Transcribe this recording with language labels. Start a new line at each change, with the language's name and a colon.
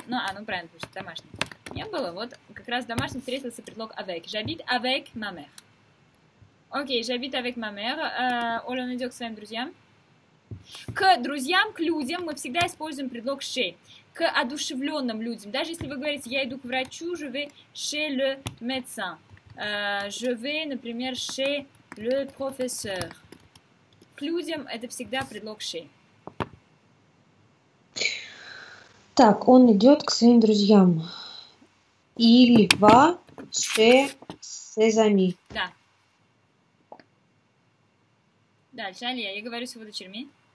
Russian: Ну, а, ну правильно, потому что домашний. Не было, вот как раз домашний встретился предлог avec.
French: J'habite avec ma mère. Окей, j'habite avec ma mère.
Russian: Оля, он идет к своим друзьям. К друзьям, к людям мы всегда используем предлог chez. К одушевленным людям. Даже если вы говорите, я иду к врачу,
French: je vais chez le médecin. Je vais,
Russian: например,
French: chez le professeur.
Russian: К людям это всегда предлог chez. Так, он идет к своим друзьям.
French: Il va chez ses amis.
Russian: Да. Дальше, Алия, я говорю с его дочерьми.